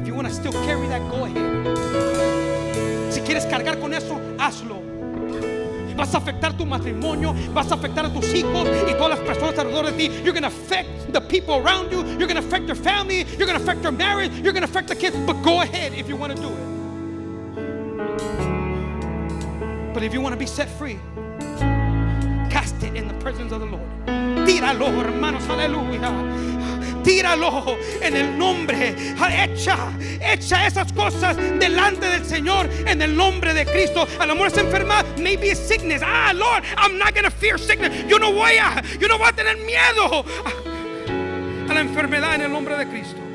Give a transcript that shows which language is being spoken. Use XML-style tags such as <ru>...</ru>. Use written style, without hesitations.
<en>If you want to still carry that, go ahead.</en> <es>Si quieres cargar con eso, hazlo. Vas a afectar tu matrimonio, vas a afectar a tus hijos y todas las personas alrededor de ti.</es> <en>You're going to affect the people around you. You're going to affect your family. You're going to affect your marriage. You're going to affect the kids. But go ahead if you want to do it. But if you want to be set free, cast it in the presence of the Lord.</en> <es>Tíralo, hermanos, aleluya. Tíralo en el nombre. Echa esas cosas delante del Señor en el nombre de Cristo. A lo mejor es enfermedad,</es> <en>maybe it's sickness. Lord, I'm not going to fear sickness.</en> <es>Yo no voy a tener miedo a la enfermedad en el nombre de Cristo.</es>